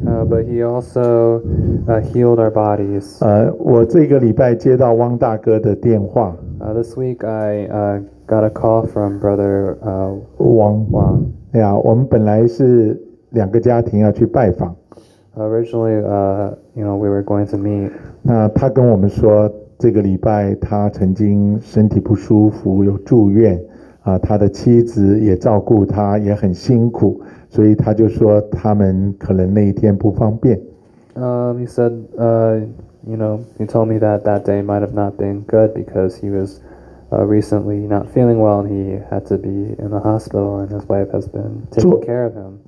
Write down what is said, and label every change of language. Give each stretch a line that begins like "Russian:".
English: But he also healed our bodies.
Chinese: 我这个礼拜接到汪大哥的电话。
English: This week I got a call from brother Wang. Yeah,
Chinese: 我们本来是两个家庭要去拜访。
English: Originally, you know, we were going to meet.
Chinese: 那他跟我们说，这个礼拜他曾经身体不舒服，有住院。他的妻子也照顾他，也很辛苦，所以他就说他们可能那一天不方便。
English: He said, you know, he told me that that day might have not been good because he was recently not feeling well and he had to be in the hospital and his wife has been taking care of him.